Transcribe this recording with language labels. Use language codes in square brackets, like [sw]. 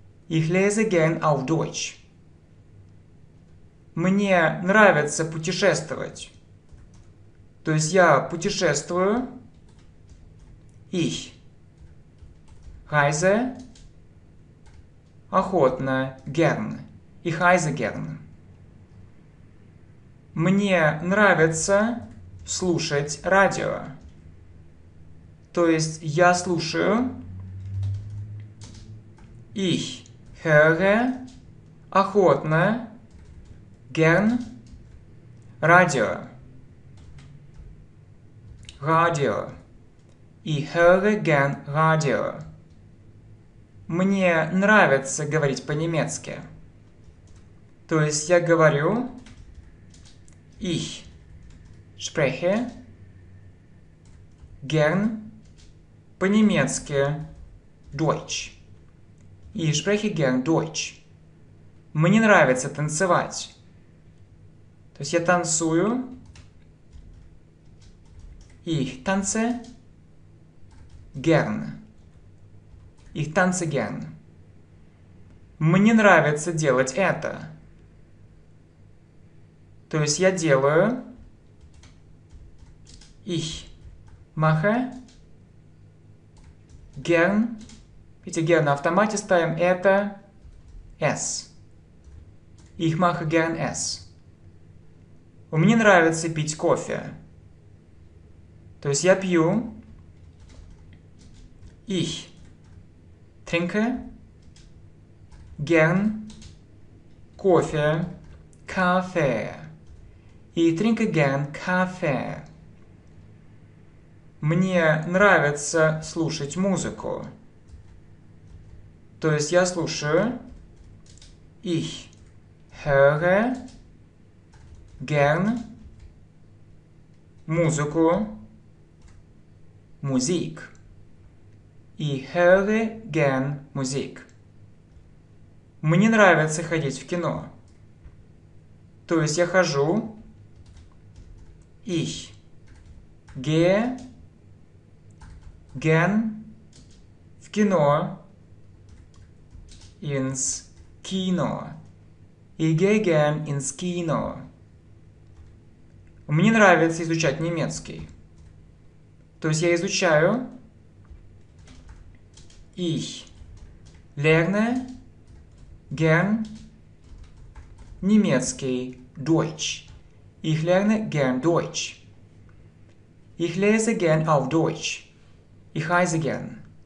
[de] Ich lese gern auf Deutsch. [ru] Мне нравится путешествовать. То есть я путешествую. [de] Ich reise [ru] охотно, [de] gern. Ich reise gern. [ru] Мне нравится слушать радио. То есть я слушаю. [de] Ich höre [ru] охотно. [de] Gern. Радио. Радио. Ich höre gern Radio. [ru] Мне нравится говорить по-немецки. То есть я говорю. [de] Ich spreche gern [ru] по-немецки [de] Deutsch. Ich spreche gern Deutsch. [ru] Мне нравится танцевать. То есть я танцую. [de] Ich tanze gern. Ich tanze gern. [ru] Мне нравится делать это. То есть я делаю. [de] Ich mache gern. [ru] Видите, gern на автомате ставим. Это. [de] S. Ich mache gern S. [ru] Мне нравится пить кофе. То есть я пью. [de] Ich trinke gern кофе. Кафе. И trinke gern кафе. [ru] Мне нравится слушать музыку. То есть я слушаю. [de] Ich höre gern музыку. Музик. И höre gern музик. [ru] Мне нравится ходить в кино. То есть я хожу. [de] Ich gehe gern [ru] в кино. [de] Ins кино. Ich gehe gern ins кино. [ru] Мне нравится изучать немецкий. То есть я изучаю. [de] Ich lerne gern немецкий. Deutsch. Ich lerne gern Deutsch. Ich lese gern auf Deutsch. Ich reise gern.